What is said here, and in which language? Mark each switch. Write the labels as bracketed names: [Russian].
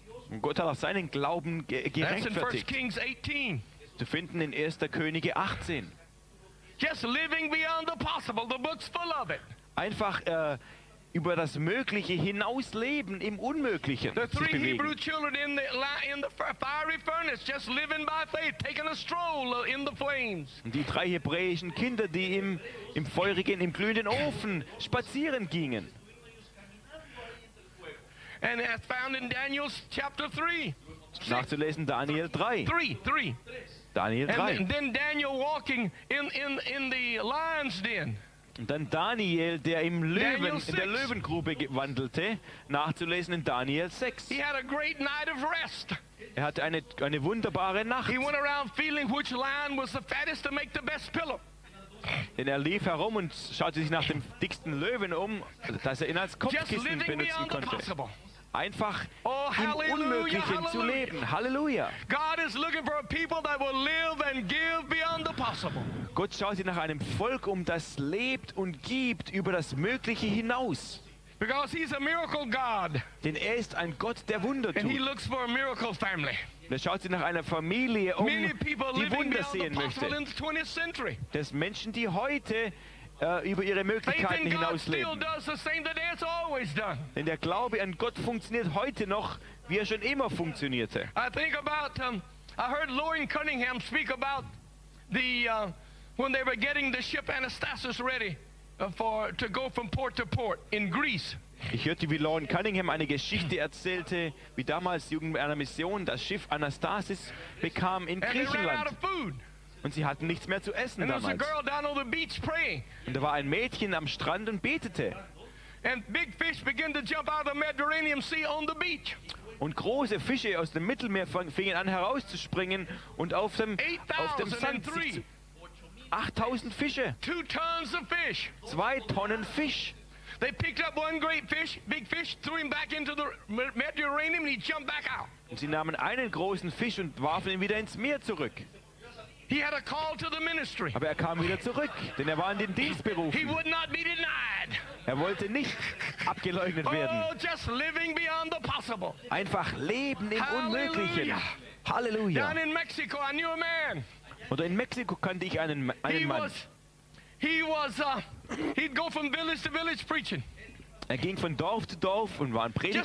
[German] Und Gott hat auch seinen Glauben gerechtfertigt. [English] That's in 1 Kings 18. [German] Zu finden in 1. Könige 18. [English] Just living beyond the possible, the book's full of it. [German] Einfach über das Mögliche hinausleben im Unmöglichen. [English] The three Hebrew children in the fiery furnace, just living by faith, taking a stroll in the flames. [German] Die drei hebräischen Kinder, die im feurigen, im glühenden Ofen spazieren gingen. [English] And as found in Daniel chapter 3. [German] Nachzulesen Daniel 3. Daniel 3. [English] And then Daniel walking in the lion's den. [German] Und dann Daniel, der im Löwen, in der Löwengrube wandelte, nachzulesen in Daniel 6. [English] He had a great night of rest. [German] Er hatte eine wunderbare Nacht. [English] He went around feeling which lion was the fattest to make the best pillow. [German] Denn er lief herum und schaute sich nach dem dicksten Löwen um, dass er ihn als Kopfkissen benutzen konnte. Einfach im Unmöglichen zu leben. Halleluja. [English] God is looking for a people that will live and give beyond the possible. [German] Gott schaut sich nach einem Volk um, das lebt und gibt über das Mögliche hinaus. [English] Because he's a miracle God. [German] Denn er ist ein Gott, der Wunder tut. [English] And he looks for a miracle family. [German] Er schaut sich nach einer Familie um, [English] many people [German] die Wunder sehen [English] beyond the [German] möchte. [English] In the 20th century. [German] Das Menschen, die heute über ihre Möglichkeiten hinaus leben. Denn der Glaube an Gott funktioniert heute noch, wie er schon immer funktionierte. [English] I think about, I heard Lauren Cunningham speak about the, when they were getting the ship Anastasis ready for to go from port to port in Greece. [German] Ich hörte, wie Lauren Cunningham eine Geschichte erzählte, wie damals in einer Mission das Schiff Anastasis bekam in Griechenland. [English] And they ran out of food. [German] Und sie hatten nichts mehr zu essen [English] and [German] damals. [English] A girl down on the beach praying. [German] Und da war ein Mädchen am Strand und betete. [English] And big fish began to jump out of the Mediterranean Sea on the beach. [German] Und große Fische aus dem Mittelmeer fingen an herauszuspringen und auf dem Sand sich zu 8000 Fische. [English] 2 tons of fish. [German] 2 Tonnen Fish. [English] They picked up one great fish, big fish, threw him back into the Mediterranean and he jumped back out. [German] Und sie nahmen einen großen Fisch und warfen ihn wieder ins Meer zurück. [English] He had a call to the ministry. [German] Aber er kam wieder zurück, denn er war in den Dienst berufen. [English] He would not be denied. [German] Er wollte nicht abgeleugnet werden. [English] Oh, just living beyond the possible. [German] Einfach leben im Unmöglichen. Halleluja. [English] Down in Mexico, I knew a man. [German] Oder in Mexiko kannte ich einen Mann. [English] He'd go from village to village preaching. [German] Er ging von Dorf zu Dorf und war ein Prediger.